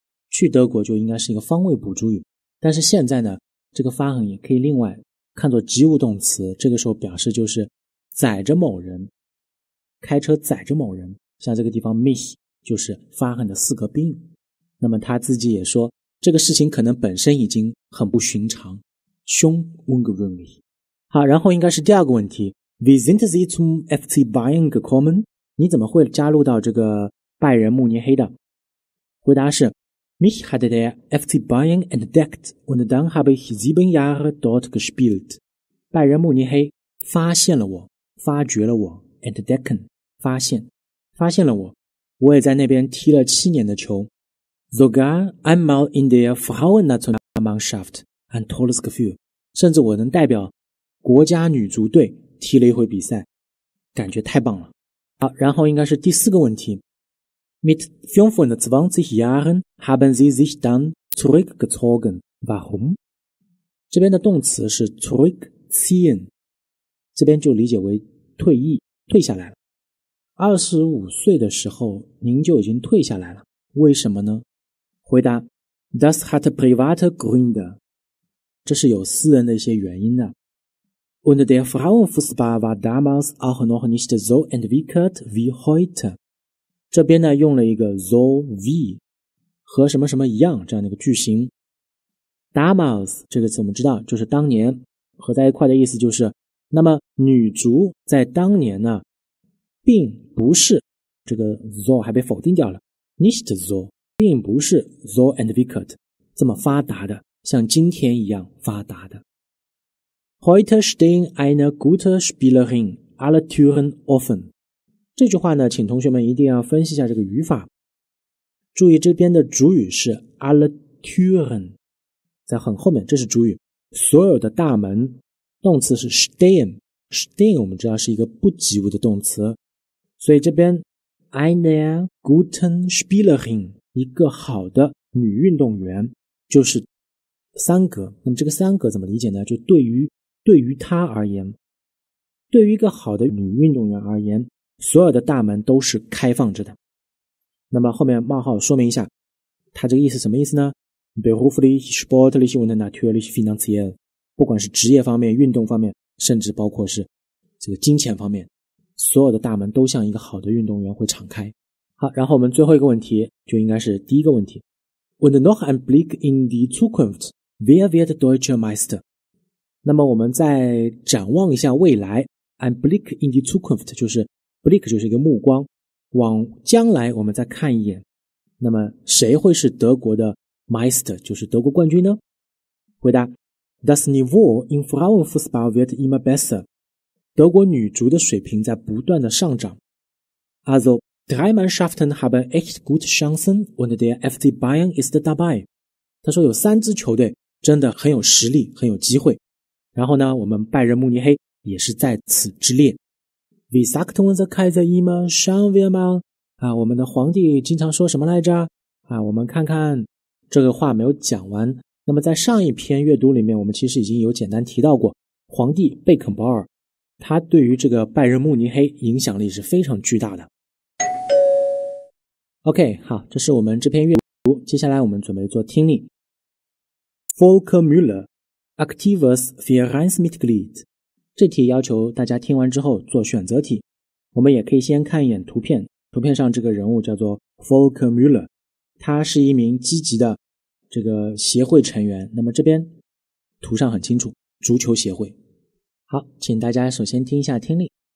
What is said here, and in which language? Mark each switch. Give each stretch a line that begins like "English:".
Chinese: 去德国就应该是一个方位补助语，但是现在呢，这个发横也可以另外看作及物动词，这个时候表示就是载着某人，开车载着某人，像这个地方 mich 就是发横的四个宾。那么他自己也说，这个事情可能本身已经很不寻常，凶 ungewöhnlich。好，然后应该是第二个问题，
German: Wie sind Sie zum FC Bayern gekommen?
Chinese: 你怎么会加入到这个拜仁慕尼黑的？回答是
German: Mich hatte der FC Bayern entdeckt und dann habe ich 7 Jahre dort gespielt.
Chinese: 拜仁慕尼黑发现了我，发掘了我 ，entdecken 发现，发现了我。我也在那边踢了七年的球。
German: Sogar einmal in der Frauennationalmannschaft, ein tolles Gefühl.
Chinese: 甚至我能代表国家女足队踢了一回比赛，感觉太棒了。好，然后应该是第四个问题。
German: Mit 25 Jahren haben Sie sich dann zurückgezogen. Warum?
Chinese: 这边的动词是 zurückziehen, 这边就理解为退役，退下来了。 25岁的时候您就已经退下来了，为什么呢？回答
German: Das hat private Gründe.
Chinese: 这是有私人的一些原因的。
German: Und der Frauenfußball war damals auch noch nicht so entwickelt wie heute.
Chinese: 这边呢用了一个 so wie 和什么什么一样这样的一个句型。 Damals 这个词我们知道就是当年，合在一块的意思就是，那么女足在当年呢并不是，这个 so 还被否定掉了，
German: nicht so
Chinese: 并不是
German: so entwickelt
Chinese: 这么发达的，像今天一样发达的。
German: Heute stehen eine gute Spielerin alle Türen offen。
Chinese: 这句话呢请同学们一定要分析一下这个语法。注意这边的主语是 alle Türen, 在很后面，这是主语，所有的大门。动词是 stehen 我们知道是一个不及物的动词。所以这边
German: eine guten Spielerin,
Chinese: 一个好的女运动员，就是三格。那么这个三格怎么理解呢？就对于她而言，对于一个好的女运动员而言，所有的大门都是开放着的。那么后面冒号说明一下，他这个意思什么意思呢？
German: Beruflich, sportlich und natürlich finanziell,
Chinese: 不管是职业方面、运动方面，甚至包括是这个金钱方面，所有的大门都像一个好的运动员会敞开。好，然后我们最后一个问题就应该是第一个问题。
German: Und noch ein Blick in die Zukunft, wer wird Deutscher Meister?
Chinese: 那么我们再展望一下未来，
German: ein Blick in die Zukunft
Chinese: 就是Blick 就是一个目光，往将来我们再看一眼，那么谁会是德国的 Meister, 就是德国冠军呢？回答
German: Das Niveau in Frauenfußball wird immer besser.
Chinese: 德国女足的水平在不断的上涨。
German: Also, drei Mannschaften haben echt gute Chancen und der FC Bayern ist dabei.
Chinese: 他说有三支球队真的很有实力，很有机会。然后呢，我们拜仁慕尼黑也是在此之列。
German: Wie sagt unser Kaiser immer, schauen wir mal?
Chinese: 啊，我们的皇帝经常说什么来着？啊，我们看看，这个话没有讲完。那么在上一篇阅读里面，我们其实已经有简单提到过，皇帝贝肯鲍尔，他对于这个拜仁慕尼黑影响力是非常巨大的。 OK, 好，这是我们这篇阅读，接下来我们准备做听力。
German: Volker Müller, aktives Vereinsmitglied.
Chinese: 这题要求大家听完之后做选择题。我们也可以先看一眼图片，图片上这个人物叫做 Volker Müller, 他是一名积极的这个协会成员。那么这边图上很清楚，足球协会。好，请大家首先听一下听力。